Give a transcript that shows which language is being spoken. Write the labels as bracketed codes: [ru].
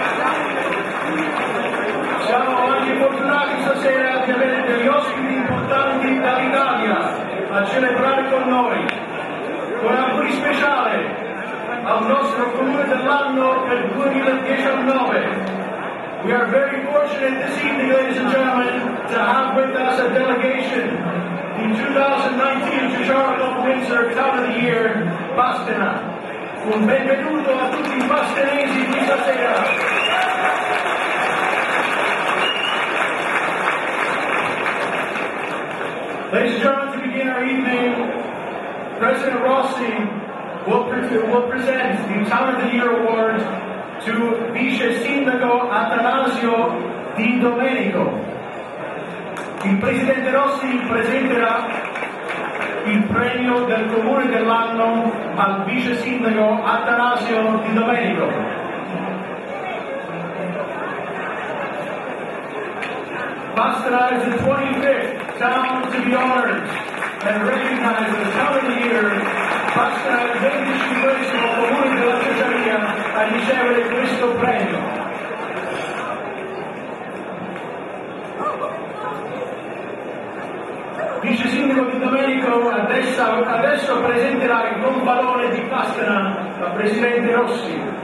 [it] Siamo anche fortunati stasera di avere degli ospiti importanti dall'Italia a celebrare con noi. Con auguri speciali al nostro comune dell'anno del 2019. [en] We are very fortunate this evening, ladies and gentlemen, to have with us a delegation in 2019 Ciociaro Club Windsor Town of the Year, Pastena. [it] Un benvenuto a tutti I pastenesi di stasera. [en] Ladies and gentlemen, to begin our evening, President Rossi will present the Town of the Year Award to Vice Sindaco Atanasio Di Domenico. [it] Il Presidente Rossi presenterà il premio del Comune dell'anno al Vice Sindaco Atanasio Di Domenico. [en] Pastena is the 25th town to be honored and recognized as Town of the Year. [it] Pastena è il 25esimo comune della Ciociaria a ricevere questo premio. Vice Sindaco Di Domenico adesso presenterà il gonfalone di Pastena al Presidente Rossi.